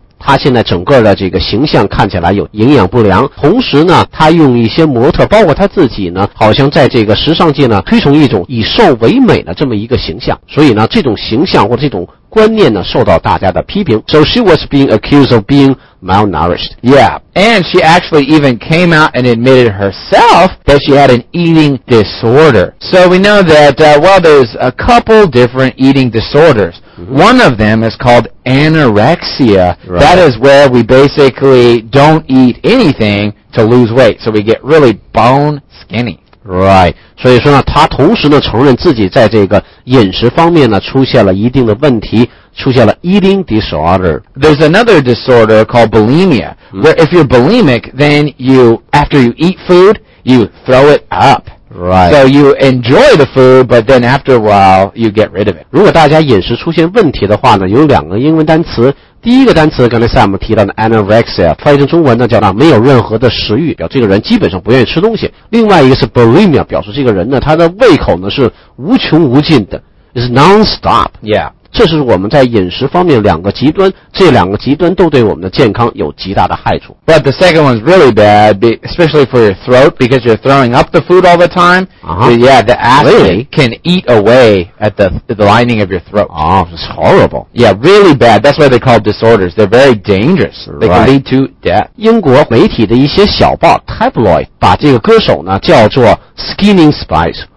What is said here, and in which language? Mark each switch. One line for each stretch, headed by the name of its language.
Chinese: 她现在整个的这个形象看起来有营养不良，同时呢，她用一些模特，包括她自己呢，好像在这个时尚界呢推崇一种以瘦为美的这么一个形象，所以呢，这种形象或者这种观念呢受到大家的批评。
English: So she was being accused of being malnourished. Yeah, and she actually even came out and admitted herself that she had an eating disorder. So we know that, well, there's a couple different eating disorders. Mm-hmm. One of them is called anorexia. Right. That is where we basically don't eat anything to lose weight. So we get really bone skinny.
Chinese: Right, 所以说呢，他同时呢承认自己在这个饮食方面呢出现了一定的问题，出现了 eating disorder.
English: There's another disorder called bulimia, where if you're bulimic, then you, after you eat food, you throw it up. Right. So you enjoy the food, but then after a while, you get rid of it.
Chinese: 如果大家饮食出现问题的话呢，有两个英文单词。第一个单词刚才 Sam 提到的 anorexia 翻译成中文呢叫没有任何的食欲，表示这个人基本上不愿意吃东西。另外一个是 bulimia， 表示这个人呢他的胃口呢是无穷无尽的，
English: is non-stop。 Yeah，
Chinese: 这是我们在饮食方面两个极端，这两个极端都对我们的健康有极大的害处。
English: But the second one's really bad, especially for your throat, because you're throwing up the food all the time. So yeah, the acid、 really? can eat away at the lining of your throat. Oh, it's horrible. Yeah, really bad. That's why they're called disorders. They're very dangerous. They can lead to death.
Chinese: 英国媒体的一些小报 tabloid 把这个歌手呢叫做 Skinny Spice。